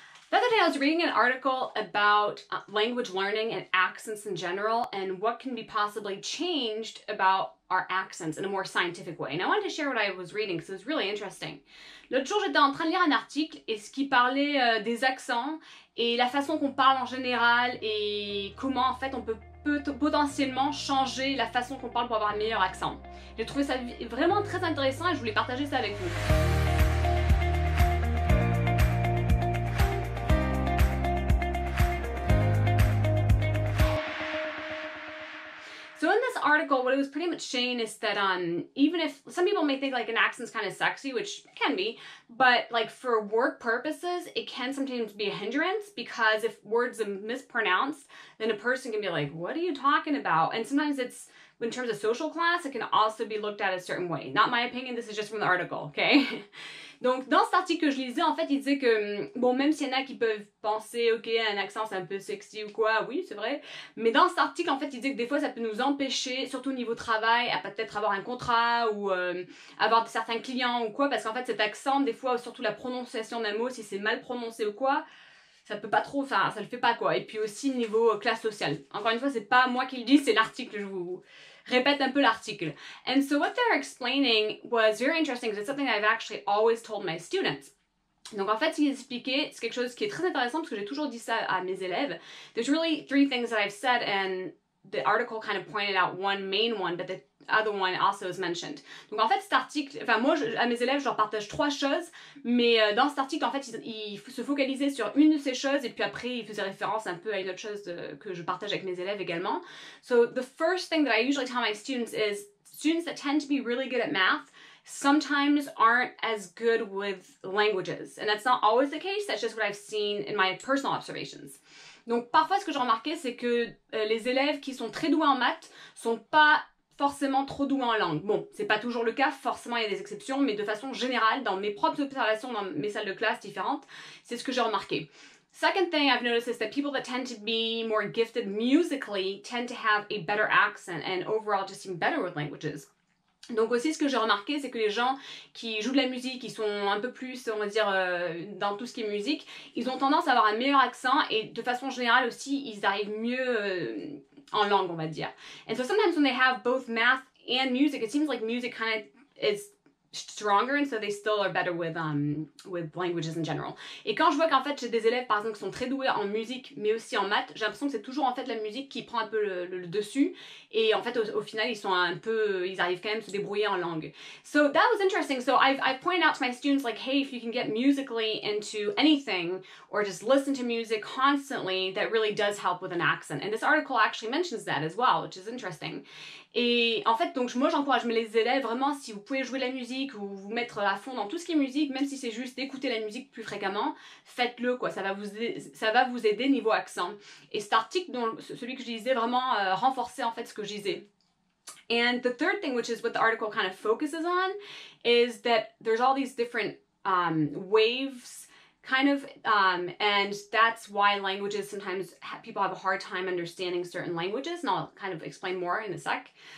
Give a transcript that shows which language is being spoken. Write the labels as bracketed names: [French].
[English] The other day I was reading an article about language learning and accents in general and what can be possibly changed about our accents in a more scientific way. And I wanted to share what I was reading because it was really interesting. [French] L'autre jour, j'étais en train de lire un article et ce qui parlait des accents et la façon qu'on parle en général et comment en fait on peut potentiellement changer la façon qu'on parle pour avoir un meilleur accent. J'ai trouvé ça vraiment très intéressant et je voulais partager ça avec vous. [English] Article, what it was pretty much saying is that even if some people may think like an accent's kind of sexy, which can be, but like for work purposes, it can sometimes be a hindrance because if words are mispronounced, then a person can be like, what are you talking about? And sometimes it's in terms of social class, it can also be looked at a certain way. Not my opinion, this is just from the article, okay? [French] Donc, dans cet article que je lisais, en fait, il disait que, bon, même s'il y en a qui peuvent penser, ok, un accent c'est un peu sexy ou quoi, oui, c'est vrai, mais dans cet article, en fait, il disait que des fois ça peut nous empêcher, surtout au niveau travail, à peut-être avoir un contrat ou avoir certains clients ou quoi, parce qu'en fait, cet accent, des fois, surtout la prononciation d'un mot, si c'est mal prononcé ou quoi, ça peut pas trop, enfin, ça le fait pas quoi. Et puis aussi niveau classe sociale. Encore une fois, c'est pas moi qui le dis, c'est l'article, je vous répète un peu l'article. [English] And so what they're explaining was very interesting because it's something I've actually always told my students. [French] Donc en fait, ce qu'ils expliquaient, c'est quelque chose qui est très intéressant parce que j'ai toujours dit ça à mes élèves. [English] There's really three things that I've said and the article kind of pointed out one main one, but the other one also is mentioned. [French] Donc en fait, cet article, enfin moi, à mes élèves, je leur partage trois choses, mais dans cet article, en fait, ils se focalisaient sur une de ces choses, et puis après, ils faisaient référence un peu à une autre chose que je partage avec mes élèves également. [English] So the first thing that I usually tell my students is, students that tend to be really good at math, sometimes aren't as good with languages. And that's not always the case, that's just what I've seen in my personal observations. [French] Donc parfois, ce que j'ai remarqué, c'est que les élèves qui sont très doués en maths sont pas forcément trop doués en langue. Bon, c'est pas toujours le cas, forcément il y a des exceptions, mais de façon générale, dans mes propres observations, dans mes salles de classe différentes, c'est ce que j'ai remarqué. [English] Second thing I've noticed is that people that tend to be more gifted musically tend to have a better accent and overall just seem better with languages. [French] Donc aussi ce que j'ai remarqué, c'est que les gens qui jouent de la musique, qui sont un peu plus, on va dire, dans tout ce qui est musique, ils ont tendance à avoir un meilleur accent et de façon générale aussi, ils arrivent mieux en langue, on va dire. [English] And so sometimes when they have both math and music, it seems like music kind of is stronger and so they still are better with languages in general. [French] Et quand je vois qu'en fait j'ai des élèves par exemple qui sont très doués en musique mais aussi en maths, j'ai l'impression que c'est toujours en fait la musique qui prend un peu le dessus et en fait au final ils sont un peu, ils arrivent quand même à se débrouiller en langue. [English] So that was interesting. So I've pointed out to my students like, hey, if you can get musically into anything or just listen to music constantly, that really does help with an accent. And this article actually mentions that as well, which is interesting. [French] Et en fait, donc moi j'encourage mes élèves vraiment, si vous pouvez jouer la musique ou vous mettre à fond dans tout ce qui est musique, même si c'est juste d'écouter la musique plus fréquemment, faites-le quoi, ça va vous aider niveau accent. Et cet article, dont, celui que je disais, vraiment renforçait en fait ce que je disais. [English] And the third thing, which is what the article kind of focuses on, is that there's all these different waves, kind of, and that's why languages, sometimes people have a hard time understanding certain languages, and I'll kind of explain more in a sec.